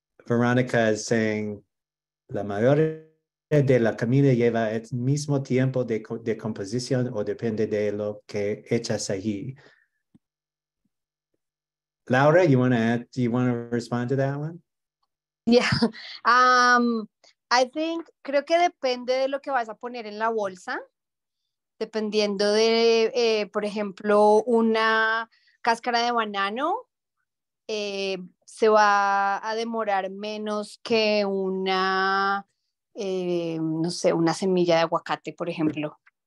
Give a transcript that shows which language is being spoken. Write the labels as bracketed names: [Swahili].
[English] Veronica is saying, [Spanish] la mayoría de la comida lleva el mismo tiempo de composición o depende de lo que echas allí. [English] Laura, do you want to respond to that one? Yeah. I think, [Spanish] creo que depende de lo que vas a poner en la bolsa, dependiendo de, por ejemplo, una cáscara de banano, se va a demorar menos que una, no sé, una semilla de aguacate, por ejemplo.